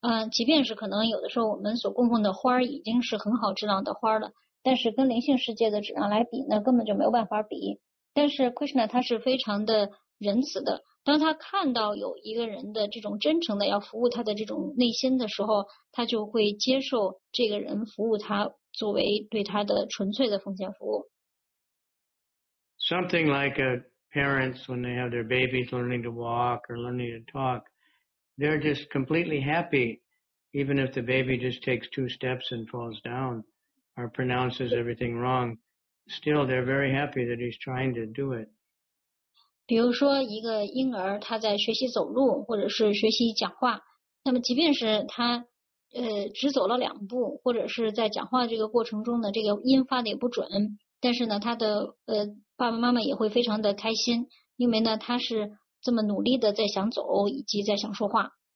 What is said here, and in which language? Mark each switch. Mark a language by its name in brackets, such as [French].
[Chinese] 即便是可能有的时候我们所供奉的花已经是很好质量的花了，但是跟灵性世界的质量来比，那根本就没有办法比。但是 Krishna 他是非常的仁慈的，当他看到有一个人的这种真诚的要服务他的这种内心的时候，他就会接受这个人服务他作为对他的纯粹的奉献服务。 [English] Something like a parents when they have their babies learning to walk or learning to talk, they're just completely happy even if the baby just takes two steps and falls down or pronounces everything wrong. Still, they're very happy that he's trying to do it. [Chinese] 比如说一个婴儿他在学习走路或者是学习讲话，那么即便是他只走了两步或者是在讲话这个过程中的这个音发的也不准，但是呢他的爸爸妈妈也会非常的开心，因为呢他是这么努力的在想走以及在想说话。